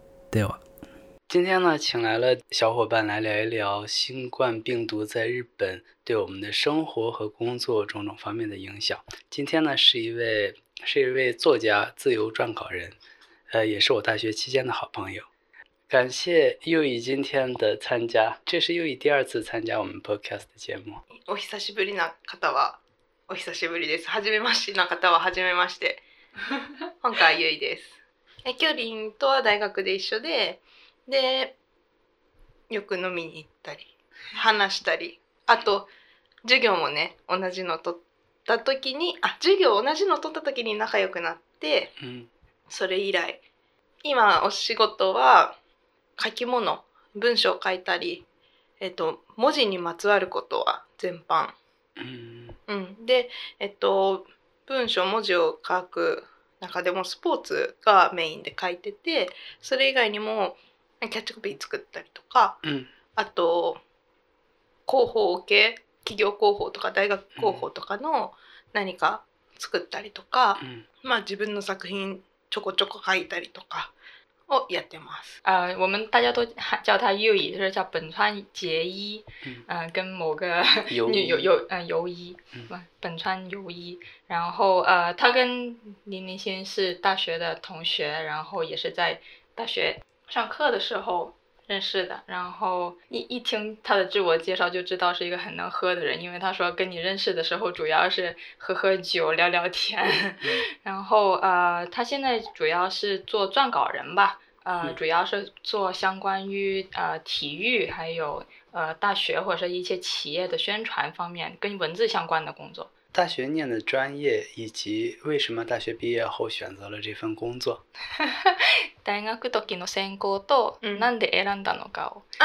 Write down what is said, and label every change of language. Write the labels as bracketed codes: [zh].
[zh] 对吧，今天呢，请来了小伙伴来聊一聊新冠病毒在日本对我们的生活和工作种种方面的影响。今天呢，是一位作家、自由撰稿人，也是我大学期间的好朋友。感谢右翼今天的参加，这是右翼第二次参加我们 podcast 的节目。 [ja] お久しぶりな方はお久しぶりです。はじめましてな方ははじめまして。今回右翼です。キョリンとは大学で一緒で。で、よく飲みに行ったり、話したり、あと授業もね、同じの取った時に、あ、授業同じの取った時に仲良くなって、うん、それ以来、今お仕事は書き物、文章を書いたり、文字にまつわることは全般、うん、うん、で、文章、文字を書く中でもスポーツがメインで書いてて、それ以外にもキャッチコピー作ったりとか、うん、あと広報系、企業広報とか大学広報とかの何か作ったりとか、うん、まあ自分の作品ちょこちょこ書いたりとかをやってます。 [zh] 我们大家都叫他優衣，就是叫本川結衣，跟某个優衣，本川優衣，然后他跟林林先是大学的同学，然后也是在大学上课的时候认识的，然后 一听他的自我介绍就知道是一个很能喝的人，因为他说跟你认识的时候主要是喝喝酒聊聊天。然后他现在主要是做撰稿人吧，主要是做相关于体育还有大学或者是一些企业的宣传方面跟文字相关的工作。大学念的专业以及为什么大学毕业后选择了这份工作。 [ja] 大学時の専攻と、なんで選んだのかを。